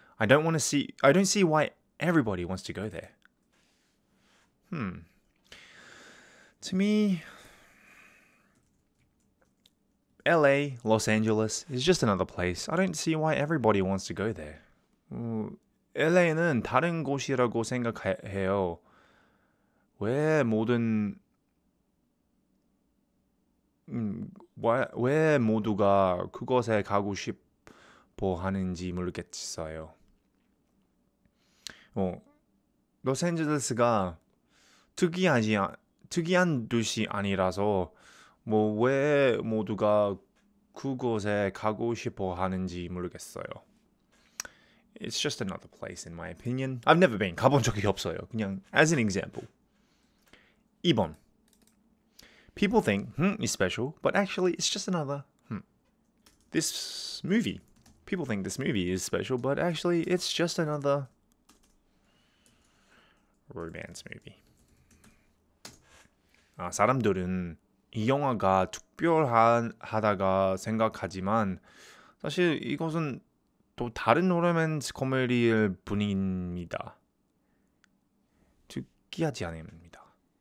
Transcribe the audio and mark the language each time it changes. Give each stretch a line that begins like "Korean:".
English: I don't want to see. I don't see why everybody wants to go there. To me, LA, Los Angeles is just another place. I don't see why everybody wants to go there.
Korean: LA는 다른 곳이라고 생각해요. 왜 모두가 그곳에 가고 싶어 하는지 모르겠어요. 뭐 로스앤젤레스가 특이한 도시 아니라서 뭐 왜 모두가 그곳에 가고 싶어 하는지 모르겠어요.
English: It's just another place in my opinion. I've never been.
Korean: 가본 적이 없어요.
English: 그냥 as an example.
Korean: 2번.
English: People think is special, but actually it's just another This movie. People think this movie is special, but actually it's just another romance movie.
Korean: 아, 사람들은 이 영화가 특별하다고 생각하지만 사실 이것은 또 다른 로맨스 코미디일 뿐입니다. 특이하지 않습니다.